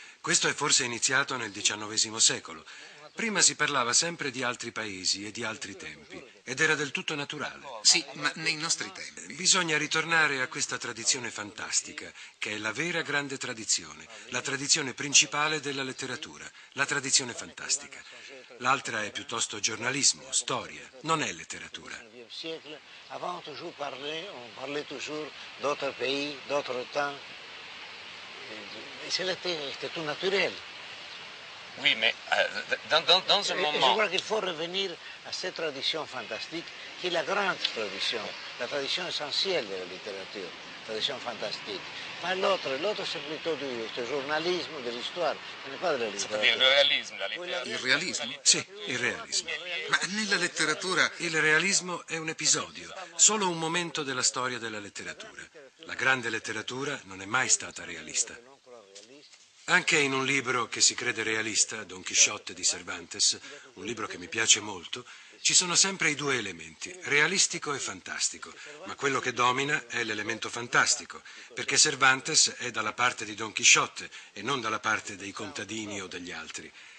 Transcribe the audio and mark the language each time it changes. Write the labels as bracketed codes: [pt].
[it] Questo è forse iniziato nel XIX secolo. Prima si parlava sempre di altri paesi e di altri tempi, ed era del tutto naturale. Sì, ma nei nostri tempi. Bisogna ritornare a questa tradizione fantastica, che è la vera grande tradizione, la tradizione principale della letteratura, la tradizione fantastica. L'altra è piuttosto giornalismo, storia, non è letteratura. [fr] Avant toujours parlé, on parlait toujours d'autres pays, d'autres temps. E c'est tout naturel. Oui, mais dans un moment. Je crois qu'il faut revenir à cette tradition fantastique, qui est la grande tradition, la tradition essentielle de la littérature, la tradition fantastique. Pas l'autre, l'autre c'est plutôt du journalisme, de l'histoire, ce n'est pas de la littérature. C'est-à-dire le réalisme, la littérature. [it] Il réalisme? Sì, il réalisme. Ma nella letteratura il realismo è un episodio, solo un momento della storia della letteratura. La grande letteratura non è mai stata realista. Anche in un libro che si crede realista, Don Chisciotte di Cervantes, un libro che mi piace molto, ci sono sempre i due elementi, realistico e fantastico, ma quello che domina è l'elemento fantastico, perché Cervantes è dalla parte di Don Chisciotte e non dalla parte dei contadini o degli altri.